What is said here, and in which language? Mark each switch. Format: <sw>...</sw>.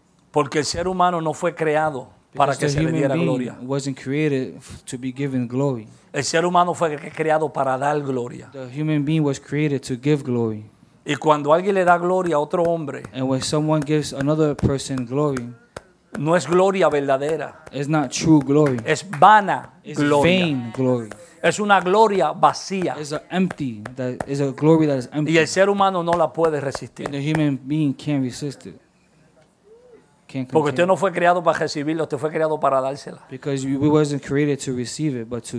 <es>Porque el ser humano no fue creado para que se le diera gloria.</es> <en>Because the human being wasn't created to be given glory.</en> <es>El ser humano fue creado para dar gloria.</es> <en>The human being was created to give glory.</en> <es>Y cuando alguien le da gloria a otro hombre,</es> <en>and when someone gives another person glory,</en> <es>no es gloria verdadera.</es> <en>It's not true glory.</en> <es>Es vana</es> <en>it's</en> <es>gloria.</es> <en>It's vain glory.</en> <es>Es una gloria vacía.</es> <en>It's a empty. That is a glory that is empty.</en> <es>Y el ser humano no la puede resistir.</es> <en>And the human being can't resist it. Can't.</en> <es>Porque usted no fue creado para recibirlo, usted fue creado para dársela.</es> <en>Because we wasn't created to receive it, but to</en>